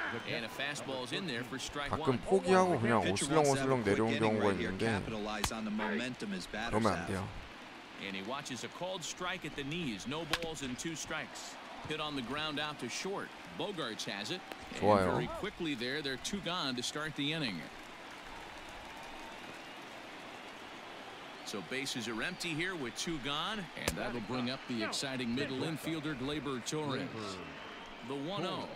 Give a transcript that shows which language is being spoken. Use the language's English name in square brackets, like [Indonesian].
[English] And a fastball is in there for strike one. [Korean] 가끔 포기하고 그냥 오슬렁오슬렁 내려온 경우가 있는데 그러면 안 돼요. [English] And he watches a called strike at the knees. No balls and two strikes. Hit on the ground out to short. Bogarts has it. Jwire. Very quickly there, they're two gone to start the inning. So bases are empty here with two gone, and that'll bring up the exciting middle infielder Gleyber Torres. The 1-0.